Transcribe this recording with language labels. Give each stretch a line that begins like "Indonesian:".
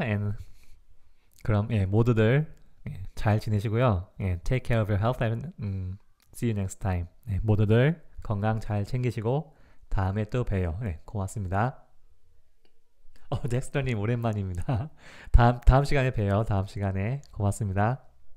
English: And
Korean: 그럼 예, 모두들 잘 지내시고요. 예,
English: take care of your health and see you next time.
Korean: 예, 모두들 건강 잘 챙기시고 다음에 또 봬요. 예, 고맙습니다. 어, 덱스터님 오랜만입니다. 다음 시간에 봬요. 다음 시간에 고맙습니다.